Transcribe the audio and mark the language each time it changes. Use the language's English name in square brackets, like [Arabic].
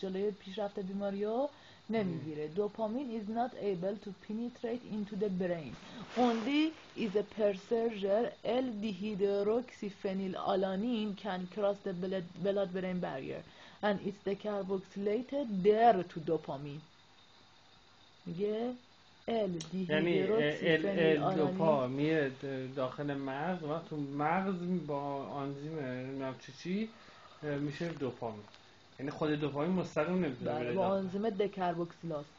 [Persian] جلوی پیشرفت بیماریو نمیگیره. [English] Dopamine is not able to penetrate into the brain. Only is a precursor L-dehydroxyphenylalanine can cross the blood brain barrier and it's decarboxylated there to dopamine. [Persian] میگه L-dehydroxyphenylalanine میره داخل مغز و تو مغز با آنزیم نمچچی میشه دوپامین. یعنی خود دوپامین مستقیم نمیتونه بره داخل. با آنزیم دکربوکسیلاز.